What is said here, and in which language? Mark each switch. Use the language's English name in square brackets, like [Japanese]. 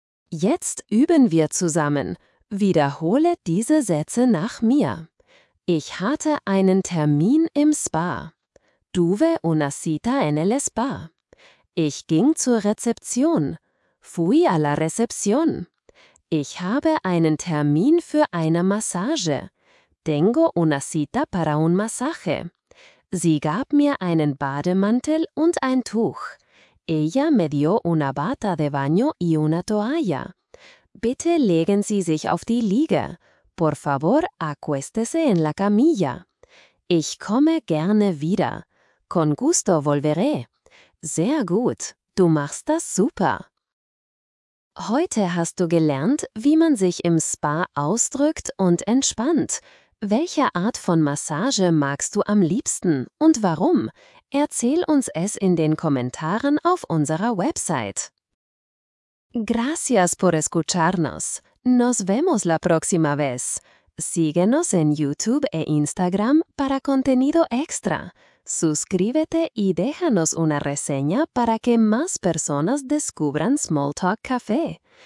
[German] Jetzt üben wir zusammen. Wiederhole diese Sätze nach mir. Ich hatte einen Termin im Spa. [Spanish] Tuve una cita en el spa. [German] Ich ging zur Rezeption. [Spanish] Fui a la recepción. [German] Ich habe einen Termin für eine Massage. [Spanish] Tengo una cita para un masaje. [German] Sie gab mir einen Bademantel und ein Tuch. [Spanish] Ella me dio una bata de baño y una toalla. [German] Bitte legen Sie sich auf die Liege. [Spanish] Por favor, acuéstese en la camilla. [German] Ich komme gerne wieder. [Spanish] Con gusto volveré. [German] Sehr gut, du machst das super. Heute hast du gelernt, wie man sich im Spa ausdrückt und entspannt. Welche Art von Massage magst du am liebsten und warum? Erzähl uns es in den Kommentaren auf unserer Website. [Spanish] Gracias por escucharnos. Nos vemos la próxima vez. Síguenos en YouTube e Instagram para contenido extra. Suscríbete y déjanos una reseña para que más personas descubran Small Talk Café.